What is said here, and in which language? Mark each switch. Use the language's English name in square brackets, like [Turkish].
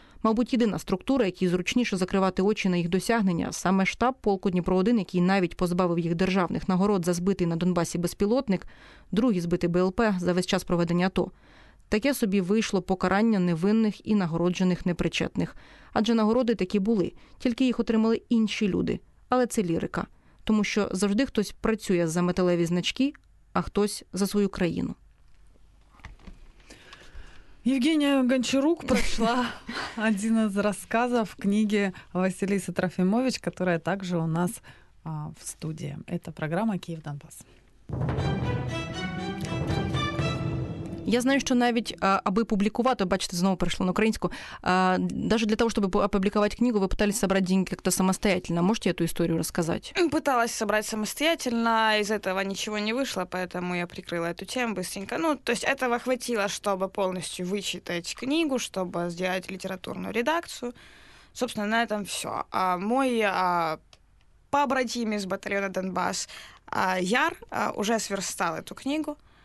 [Ukrainian] Мабуть, єдина структура, якій зручніше закривати очі на їх досягнення, саме штаб полку «Дніпро-1», який навіть позбавив їх державних нагород за збитий на Донбасі безпілотник, другий збитий БЛП за весь час проведення АТО. Таке собі вийшло покарання невинних і нагороджених непричетних. Адже нагороди такі були, тільки їх отримали інші люди. Але це лірика. Тому що завжди хтось працює за металеві значки, а хтось за свою країну. [Russian] Евгения Гончарук прочла один из рассказов книги Василисы Трофимович, которая также у нас в студии. Это программа «Киев-Донбасс». [Ukrainian] Я знаю, що навіть, аби публікувати, бачите, знову перейшла на українську, навіть для того, щоб опублікувати книгу, ви [Russian] пытались собрати деньги як-то самостоятельно. [Ukrainian] Можете эту історію розказати? [Russian] Пыталась собрати самостоятельно, из этого [Ukrainian] нічого не вийшло, [Russian] поэтому я прикрила эту тему быстренько. Ну, то есть этого хватило, чтобы полностью вычитать книгу, чтобы сделать литературную редакцию. Собственно, на этом все. Мой побратим из батальона «Донбасс» Яр уже сверстал эту книгу.